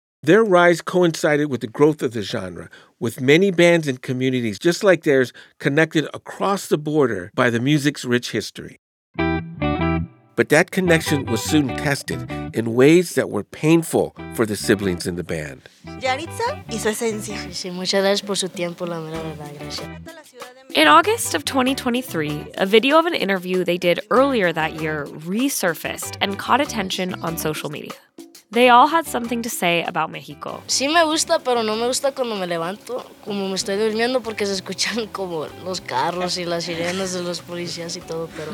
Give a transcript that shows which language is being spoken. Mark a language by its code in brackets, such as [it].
[en] Their rise coincided with the growth of the genre, with many bands and communities just like theirs connected across the border by the music's rich history. But that connection was soon tested in ways that were painful for the siblings in the band. [es] Yaritza y su esencia. Sí, sí, muchas gracias por su tiempo, la mera verdad, gracias. [en] In August of 2023, a video of an interview they did earlier that year resurfaced and caught attention on social media. They all had something to say about Mexico. [es] Sí me gusta, pero no me gusta cuando me levanto, como me estoy durmiendo, porque se escuchan como los carros y las sirenas de los policías y todo, pero...